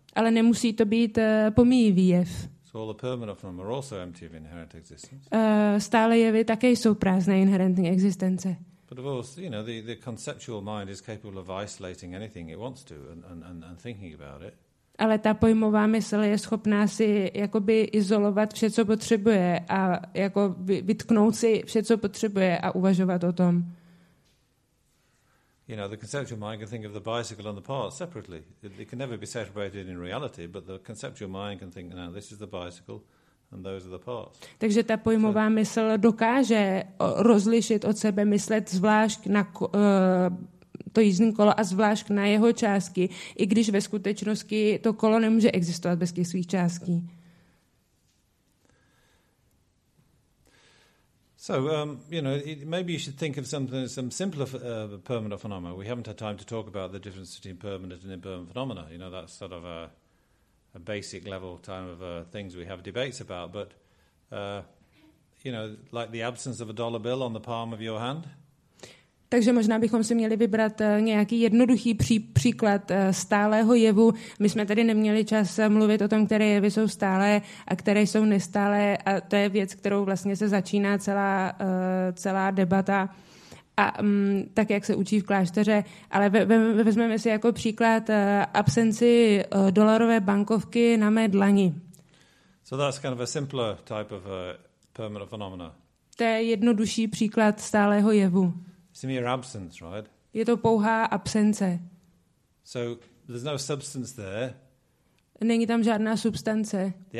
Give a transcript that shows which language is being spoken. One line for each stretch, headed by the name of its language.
Czech: Ale nemusí to být pomíjivý jev.
English: So all the permanent phenomena are also empty of inherent existence.
Czech: Stále jevy také jsou prázdné inherentní existence.
English: But of course, you know, the conceptual mind is capable of isolating anything it wants to and thinking about it.
Czech: Ale ta pojmová mysl je schopná si jakoby izolovat vše, co potřebuje a jako vytknout si vše, co potřebuje a uvažovat o tom.
English: You know, the conceptual mind can think of the bicycle and the parts separately. It can never be separated in reality, but the conceptual mind can think, now this is the bicycle and those are the parts.
Czech: Takže ta pojmová mysl dokáže rozlišit od sebe, myslet zvlášť na to jízdní kolo a zvlášť na jeho částky, i když ve skutečnosti to kolo nemůže existovat bez těch svých částí.
English: So you know, maybe you should think of some simpler permanent phenomena. We haven't had time to talk about the difference between permanent and impermanent phenomena. You know, that's sort of a basic level time of things we have debates about. But you know, like the absence of a dollar bill on the palm of your hand.
Czech: Takže možná bychom si měli vybrat nějaký jednoduchý příklad stálého jevu. My jsme tady neměli čas mluvit o tom, které jevy jsou stálé a které jsou nestálé. A to je věc, kterou vlastně se začíná celá debata. A tak, jak se učí v klášteře. Ale vezmeme si jako příklad absenci dolarové bankovky na mé dlani.
English: So that's kind of a simpler type of permanent phenomena.
Czech: To je jednodušší příklad stálého jevu.
English: It's mere absence, right?
Czech: Je to pouhá absence.
English: So there's no substance there.
Czech: Není tam žádná substance.